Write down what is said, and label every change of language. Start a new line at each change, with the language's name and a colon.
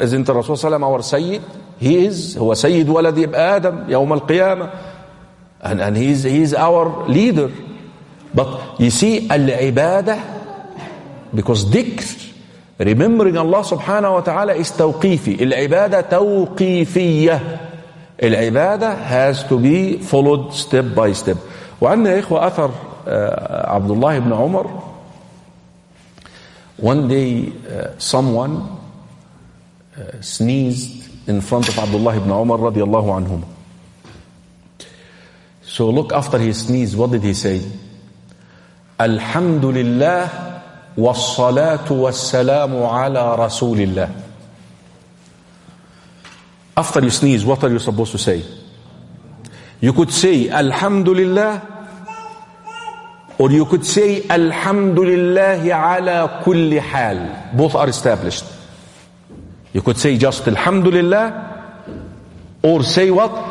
English: Isn't the Rasul salam our Sayyid? He is.
Arabic: Huwa Sayyid waladi Adam yawm al-qiyamah,
English: and he's our leader. But you see, al-ibadah, because dhikr, remembering Allah subhanahu wa ta'ala, is tawqifi.
Arabic: Al-ibadah tawqifiyyah.
English: Al-ibadah has to be followed step by step.
Arabic: وعندنا إخوة أثر عبد الله بن عمر.
English: One day, someone sneezed in front of Abdullah ibn Umar رضي الله عنهما. So look, after he sneezed, what did he say?
Arabic: الحمد لله والصلاة والسلام على رسول الله.
English: After you sneeze, what are you supposed to say? You could say الحمد لله, or you could say
Arabic: الحمد لله على كل حال.
English: Both are established. You could say just الحمد لله, or say what?